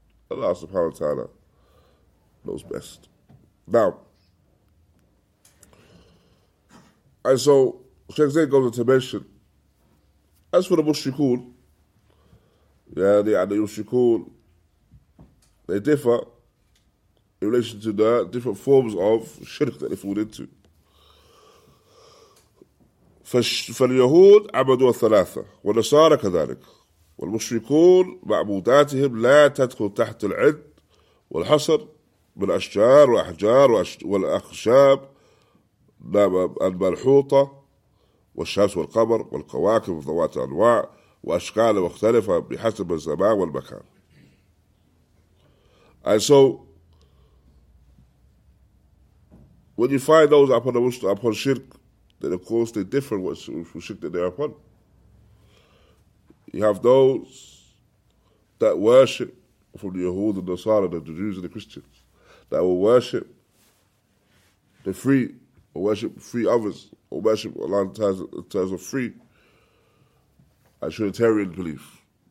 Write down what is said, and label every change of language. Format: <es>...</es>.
<en>Allah subhanahu wa ta'ala knows best. Now, and so Shaykh Zayd goes on to mention, as for the Mushrikun, yeah, the Yushrikun, they differ in relation to the different forms of shirk that they fall into.</en> <ar>فاليهود عبدوا الثلاثة والنصارى كذلك والمشركون معبوداتهم لا تدخل تحت العد والحصر من أشجار وأحجار والأخشاب الملحوطة والشمس والقمر والكواكب وذوات الأنواع وأشكال مختلفة بحسب الزمان والمكان.</ar> <en>And so, when you find those upon shirk, then of course they differ what shirk that they're upon. You have those that worship from the Yahud and the Nasara, the Jews and the Christians, that will worship the free, or worship free others, or worship Allah in terms of free, a Trinitarian belief.</en>